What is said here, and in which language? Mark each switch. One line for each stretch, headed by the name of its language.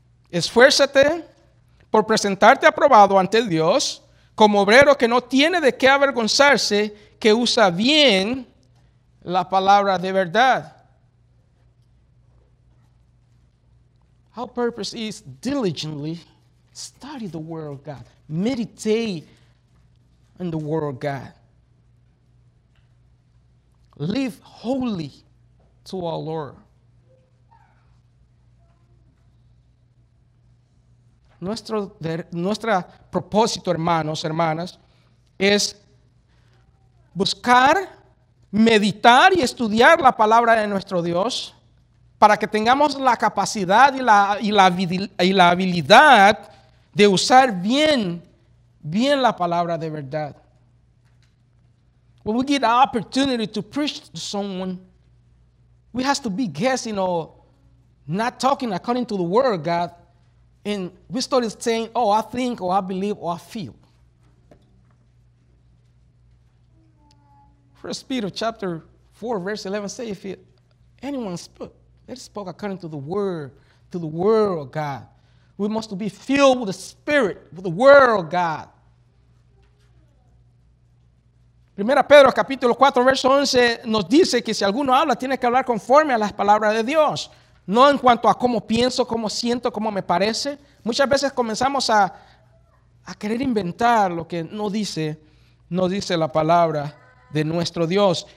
Spanish: Esfuérzate por presentarte aprobado ante Dios, como obrero que no tiene de qué avergonzarse, que usa bien la palabra de verdad.
English: Our purpose is diligently study the word of God. Meditate on the word of God. Live holy to our Lord.
Spanish: Nuestro propósito, hermanos, hermanas, es buscar, meditar y estudiar la palabra de nuestro Dios para que tengamos la capacidad y la habilidad de usar bien la palabra de verdad.
English: When we get the opportunity to preach to someone, we have to be guessing or not talking according to the word of God. And we started saying, oh, I think, or I believe, or I feel. 1 Peter chapter 4, verse 11 says, if anyone spoke, let us spoke according to the word of God. We must be filled with the Spirit, with the word of God.
Spanish: 1 Pedro capítulo 4, verse 11, nos dice que si alguno habla, tiene que hablar conforme a las palabras de Dios. No en cuanto a cómo pienso, cómo siento, cómo me parece. Muchas veces comenzamos a querer inventar lo que no dice la palabra de nuestro Dios.